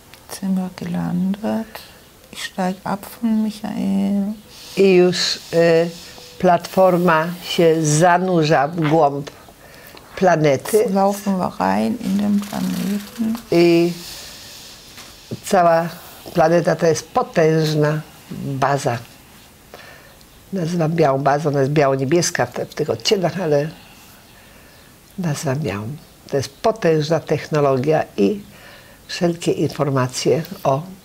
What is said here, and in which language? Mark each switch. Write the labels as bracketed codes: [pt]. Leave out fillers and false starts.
[de] Zimmer gelandet. Steig ab von Michael. [pl] I już platforma się zanurza w głąb planety. [de] Laufen wir rein in den Planeten. [pl] I cała planeta to jest potężna baza. Nazywam białą bazą, ona jest biało-niebieska w tych odcieniach, ale nazywam białą. To jest potężna technologia i wszelkie informacje o